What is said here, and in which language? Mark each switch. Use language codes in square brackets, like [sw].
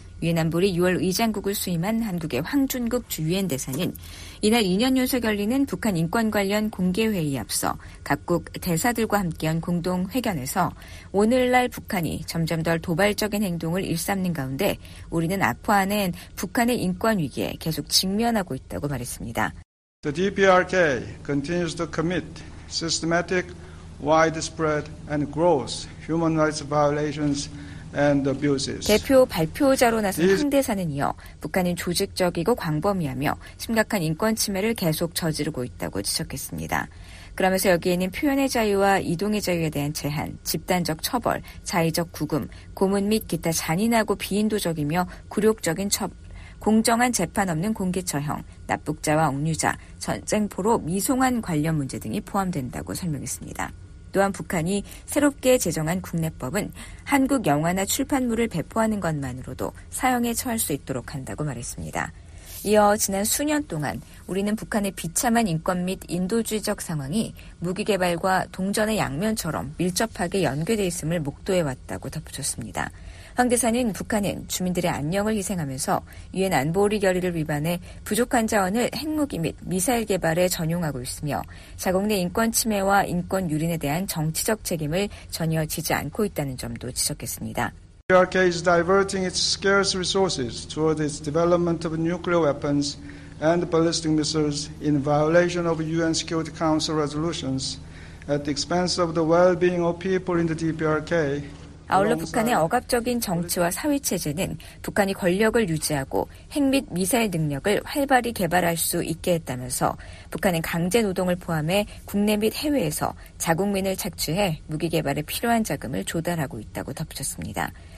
[ko] 유엔 안보리 6월 의장국을 수임한 한국의 황준국 주유엔 대사는 이날 2년 연속 열리는 북한 인권 관련 공개회의에 앞서 각국 대사들과 함께한 공동회견에서 오늘날 북한이 점점 덜 도발적인 행동을 일삼는 가운데 우리는 악화하는 북한의 인권 위기에 계속 직면하고 있다고 말했습니다. [en] The DPRK continues to commit systematic, widespread and gross human rights violations and abuses. [ko] 대표 발표자로 나선 황 대사는 이어 북한은 조직적이고 광범위하며 심각한 인권 침해를 계속 저지르고 있다고 지적했습니다. 그러면서 여기에는 표현의 자유와 이동의 자유에 대한 제한, 집단적 처벌, 자의적 구금, 고문 및 기타 잔인하고 비인도적이며 굴욕적인 처벌, 공정한 재판 없는 공개 처형, 납북자와 억류자, 전쟁 포로, 미송환 관련 문제 등이 포함된다고 설명했습니다. 또한 북한이 새롭게 제정한 국내법은 한국 영화나 출판물을 배포하는 것만으로도 사형에 처할 수 있도록 한다고 말했습니다. 이어 지난 수년 동안 우리는 북한의 비참한 인권 및 인도주의적 상황이 무기 개발과 동전의 양면처럼 밀접하게 연계돼 있음을 목도해왔다고 덧붙였습니다. 황 대사는 북한은 주민들의 안녕을 희생하면서 유엔 안보리 결의를 위반해 부족한 자원을 핵무기 및 미사일 개발에 전용하고 있으며 자국 내 인권 침해와 인권 유린에 대한 정치적 책임을 전혀 지지 않고 있다는 점도 지적했습니다. [en] PRK is diverting its scarce resources toward its development of nuclear weapons and ballistic missiles in violation of UN Security Council resolutions at the expense of the well-being of people in the DPRK. [ko] 아울러 북한의 억압적인 정치와 사회체제는 북한이 권력을 유지하고 핵 및 미사일 능력을 활발히 개발할 수 있게 했다면서 북한은 강제 노동을 포함해 국내 및 해외에서 자국민을 착취해 무기 개발에 필요한 자금을 조달하고 있다고 덧붙였습니다.